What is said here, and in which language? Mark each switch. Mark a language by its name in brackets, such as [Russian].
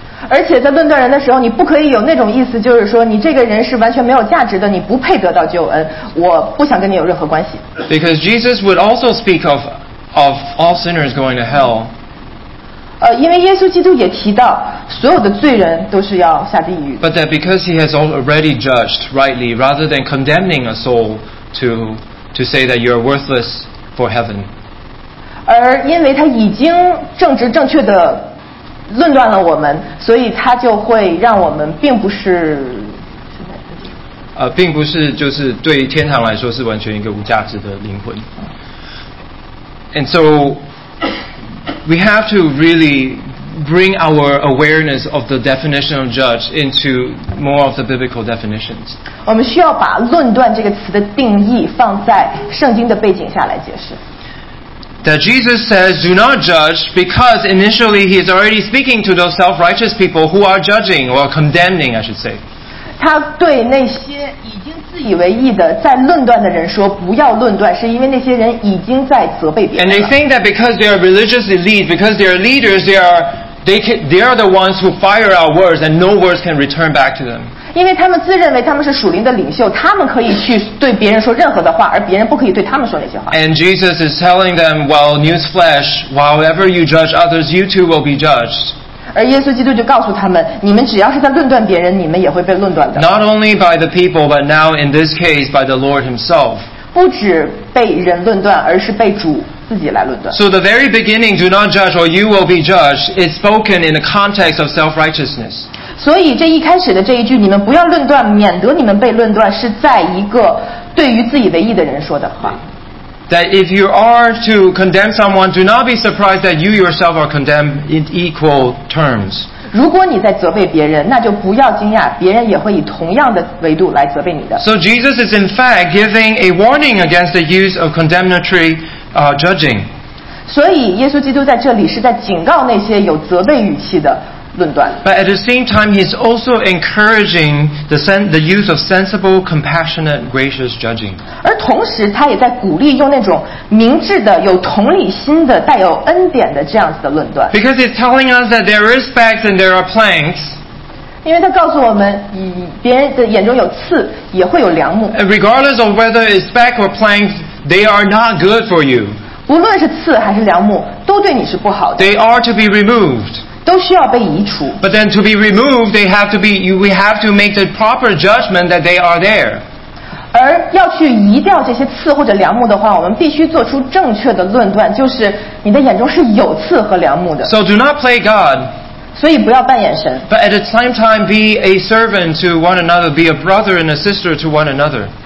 [Chinese] 而且在论断人的时候，你不可以有那种意思，就是说你这个人是完全没有价值的，你不配得到救恩，我不想跟你有任何关系。 [English] Because Jesus would also speak of all sinners going to hell. [Chinese] 因为耶稣基督也提到所有的罪人都是要下地狱。 [English] But that because he has already judged rightly, rather than condemning a soul to say that you are worthless for heaven. [Chinese] 而因为他已经正直正确的论断了我们，所以他就会让我们并不是。并不是就是对天堂来说是完全一个无价值的灵魂。 [English] And so,We have to really bring our awareness of the definition of judge into more of the biblical definitions. [Chinese] 我们需要把论断这个词的定义放在圣经的背景下来解释。 [English] That Jesus says, do not judge, because initially he is already speaking to those self-righteous people who are judging or condemning, I should say. [Chinese] 他对那些已经自以为义的在论断的人说不要论断，是因为那些人已经在责备别人了。 [English] And they think that because they are religious elite, because they are leaders, they are the ones who fire out words and no words can return back to them. [Chinese] 因为他们自认为他们是属灵的领袖，他们可以去对别人说任何的话，而别人不可以对他们说那些话。 [English] And Jesus is telling them, well, newsflash, however you judge others, you too will be judged. [Chinese] 而耶稣基督就告诉他们，你们只要是在论断别人，你们也会被论断的。 [English] Not only by the people, but now in this case by the Lord Himself. [Chinese] 不止被人论断，而是被主自己来论断。 [English] So the very beginning, do not judge, or you will be judged, is spoken in the context of self-righteousness. [Chinese] 所以这一开始的这一句，你们不要论断，免得你们被论断，是在一个对于自以为义的人说的话。 [English] That if you are to condemn someone, do not be surprised that you yourself are condemned in equal terms. [Chinese] 如果你在责备别人，那就不要惊讶，别人也会以同样的维度来责备你的。 [English] So Jesus is in fact giving a warning against the use of condemnatory judging. [Chinese] 所以耶稣基督在这里是在警告那些有责备语气的论断。 [English] But at the same time, he is also encouraging the use of sensible, compassionate, gracious judging. [Chinese] 而同时，他也在鼓励用那种明智的、有同理心的、带有恩典的这样子的论断。 [English] Because he's telling us that there is facts and there are planks. [Chinese] 因为他告诉我们，别人的眼中有刺，也会有梁木。 [English] And regardless of whether it's facts or planks, they are not good for you. [Chinese] 不论是刺还是梁木，都对你是不好的。 [English] They are to be removed. [Chinese] 都需要被移除。 [English] But then to be removed, they have to be. We have to make the proper judgment that they are there. [Chinese] 而要去移掉这些刺或者梁木的话，我们必须做出正确的论断，就是你的眼中是有刺和梁木的。 [English] So do not play God. [Chinese] 所以不要扮演神。 [English] But at the same time, be a servant to one another. Be a brother and a sister to one another.